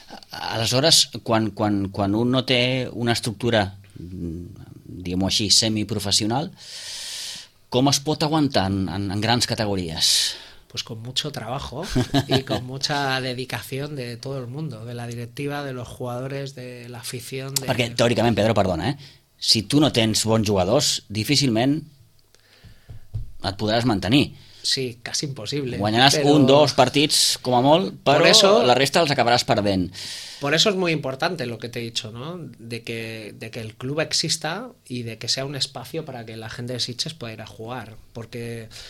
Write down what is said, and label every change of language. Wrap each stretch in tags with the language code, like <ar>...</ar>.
<ca>Aleshores, quan un no té una estructura, diguem-ho així, semiprofessional, com es pot aguantar en grans categories?</ca> <es>Pues con mucho trabajo y con mucha dedicación de todo el mundo, de la directiva, de los jugadores, de la afición.</es> <ca>Perquè teòricament, Pedro, perdona, si tu no tens bons jugadors, difícilment et podràs mantenir.</ca> <es>Sí, casi imposible.</es> <ca>Guanyaràs un, dos partits, com a molt, però eso, la resta els acabaràs perdent.</ca> <es>Por eso es muy importante lo que te he dicho, ¿no? De que el club exista y de que sea un espacio para que la gente de Sitges pueda ir a jugar. Porque...</es>